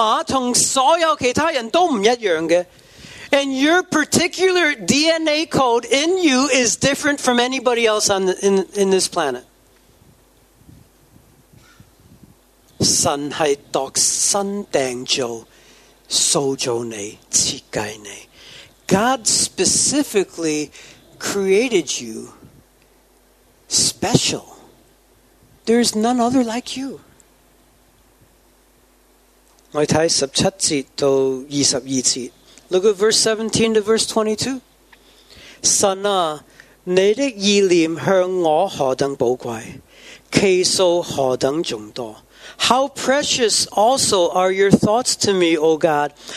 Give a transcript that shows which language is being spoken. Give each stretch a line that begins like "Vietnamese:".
Chinese: 你的基因密码和所有其他人都不一样的。
English: And your particular DNA code in you is different from anybody else in this planet.
Chinese: 神是独身订造，塑造你，设计你。
English: God specifically created you special. There is none other like you.
Chinese: 我们看17节到22节。
English: Look at verse 17 to verse 22.
Chinese: 神啊，你的意念向我何等宝贵，其数何等众多。
English: How precious also are your thoughts to me, O God.